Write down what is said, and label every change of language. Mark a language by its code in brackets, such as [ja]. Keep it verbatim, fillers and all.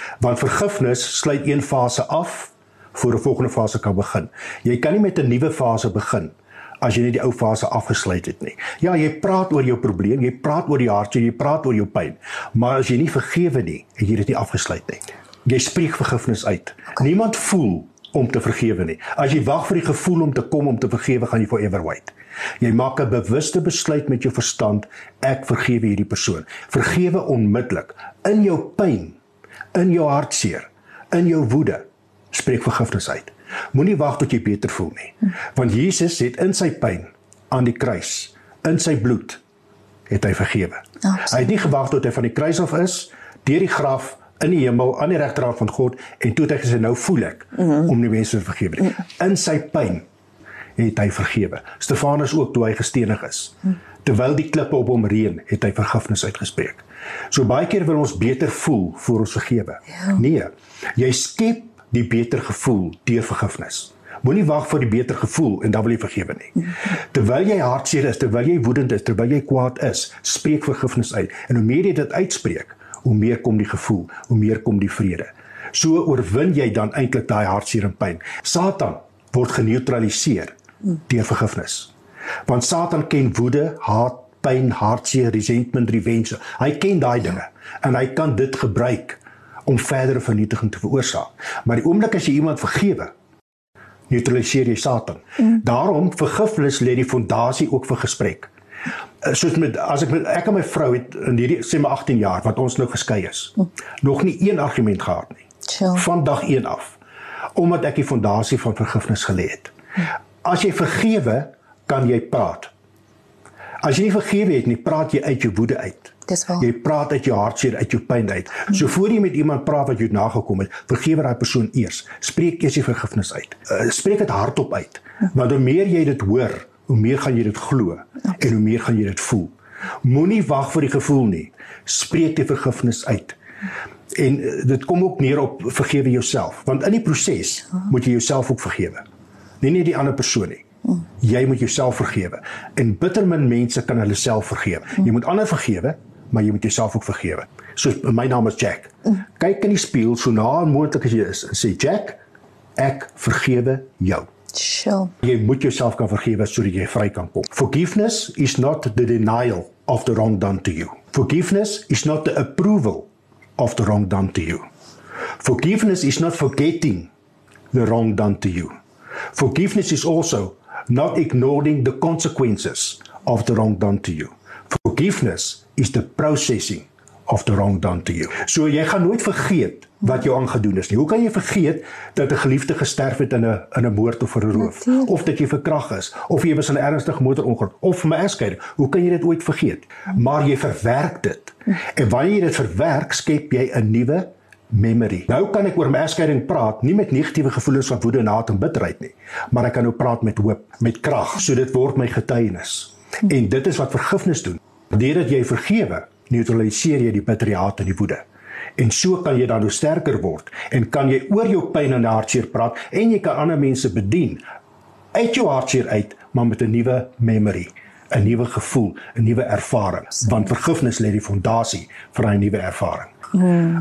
[af] Want vergifnis sluit een fase af, voor 'n volgende fase kan begin. Jy kan nie met 'n nuwe fase begin, as jy nie die ou fase afgesluit het nie. Ja, jy praat oor jou probleem, jy praat oor die hartseer, jy praat oor jou pyn. Maar as jy nie vergewe nie, het jy dit nie afgesluit nie. Jy spreek vergifnis uit. Okay. Niemand voel om te vergewe nie. As jy wag vir die gevoel om te kom om te vergewe, gaan jy [en] forever wait. [af] Jy maak 'n bewuste besluit met jou verstand, ek vergewe hierdie persoon. Vergewe onmiddellik. In jou pyn, in jou hartseer, in jou woede, spreek vergifnis uit. Moenie wag tot jy beter voel nie. Want Jesus het in sy pyn aan die kruis, in sy bloed, het hy vergewe. Hy het nie gewag tot hy van die kruis af is, deur die graf, in die hemel, aan die regterhand van God, en toe het hy gesê, nou voel ek, mm-hmm. om die mense te vergewe. Mm-hmm. In sy pyn het hy vergewe. Stefanus ook, toe hy gestenig is. Mm-hmm. Terwyl die klippe op hom reën, het hy vergifnis uitgespreek. So baie keer wil ons beter voel, voor ons vergewe. Yeah. Nee, jy skep die beter gevoel, deur vergifnis. Moenie wag vir die beter gevoel, en dan wil jy vergewe nie. Mm-hmm. Terwyl jy hartseer is, terwyl jy woedend is, terwyl jy kwaad is, spreek vergifnis uit. En hoe meer jy dit uitspreek, hoe meer kom die gevoel, hoe meer kom die vrede. So oorwin jy dan eintlik daai hartseer en pyn. Satan word geneutraliseer deur vergifnis. Want Satan ken woede, haat, pyn, hartseer, resentment, rewense. Hy ken daai dinge en hy kan dit gebruik om verdere vernietiging te veroorsaak. Maar die oomblik as jy iemand vergewe, neutraliseer jy Satan. Mm. Daarom vergifnis lê die fondasie ook vir gesprek. Soos met as ek met ek en my vrou het in hierdie sê maar agttien jaar wat ons nou geskei is, mm. nog nie een argument gehad nie. [en] Chill. [af] Van dag een af, omdat ek die fondasie van vergifnis gelê het. Mm. As jy vergewe, kan jy praat. As jy nie vergewe het nie, praat jy uit jou woede uit. Dis waar. Jy praat uit jou hartseer, uit jou pyn uit. So voor jy met iemand praat wat jou nagekom het, vergewe daai persoon eers. Spreek eers die vergifnis uit. Uh, spreek dit hardop uit. Want hoe meer jy dit hoor, hoe meer gaan jy dit glo en hoe meer gaan jy dit voel. Moenie wag vir die gevoel nie. Spreek die vergifnis uit. En uh, dit kom ook neer op vergewe jouself, want in die proses moet jy jouself ook vergewe. Nie nie die ander persoon nie. Jy moet jouself vergewe. En bitter min mense kan hulle self vergewe. Jy moet ander vergewe, maar jy moet jouself ook vergewe. Soos my naam is Jack. Kyk in die spieël so na moontlik as jy is en sê Jack, ek vergewe jou. [en] Sure. [af] Jy moet jouself kan vergewe sodat jy vry kan kom. [en] Forgiveness is not the denial of the wrong done to you. Forgiveness is not the approval of the wrong done to you. Forgiveness is not forgetting the wrong done to you. Forgiveness is also not ignoring the consequences of the wrong done to you. Forgiveness is the processing of the wrong done to you. [af] So jy gaan nooit vergeet wat jou aangedoen is nie. Hoe kan jy vergeet dat 'n geliefde gesterf het in 'n in 'n moord of 'n roof, Natuurlijk. Of dat jy verkragt is, of jy was in 'n ernstige motorongeluk, of 'n egskeiding? Hoe kan jy dit ooit vergeet? Maar jy verwerk dit. En wanneer jy dit verwerk, skep jy 'n nuwe memory. Nou kan ek oor my egskeiding praat, nie met negatiewe gevoelens van woede en haat en bitterheid nie, maar ek kan nou praat met hoop, met krag, so dit word my getuienis. En dit is wat vergifnis doen. Deurdat jy vergewe, neutraliseer jy die bitter, die haat en die woede. En so kan jy dan nou sterker word en kan jy oor jou pyn en hartseer praat en jy kan ander mense bedien uit jou hartseer uit, maar met 'n nuwe memory, 'n nuwe gevoel, 'n nuwe ervaring, want vergifnis lê die fondasie vir 'n nuwe ervaring. Hmm.